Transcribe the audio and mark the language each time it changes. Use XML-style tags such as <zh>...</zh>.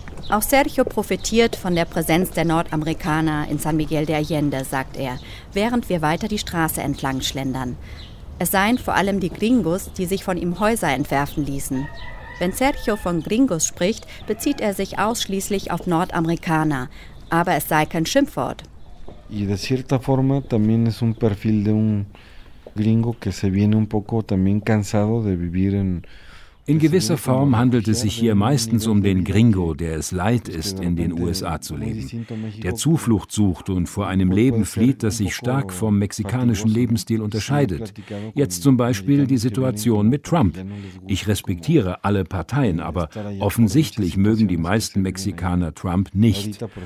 <de>Auch Sergio profitiert von der Präsenz der Nordamerikaner in San Miguel de Allende, sagt er, während wir weiter die Straße entlang schlendern. Es seien vor allem die Gringos, die sich von ihm Häuser entwerfen ließen. Wenn Sergio von Gringos spricht, bezieht er sich ausschließlich auf Nordamerikaner. Aber es sei kein Schimpfwort.</de> <es>Y de cierta forma también es un perfil de un gringo que se viene un poco también cansado de vivir en.</es> <de>In gewisser Form handelt es sich hier meistens um den Gringo, der es leid ist, in den USA zu leben, der Zuflucht sucht und vor einem Leben flieht, das sich stark vom mexikanischen Lebensstil unterscheidet. Jetzt zum Beispiel die Situation mit Trump. Ich respektiere alle Parteien, aber offensichtlich mögen die meisten Mexikaner Trump nicht.</de>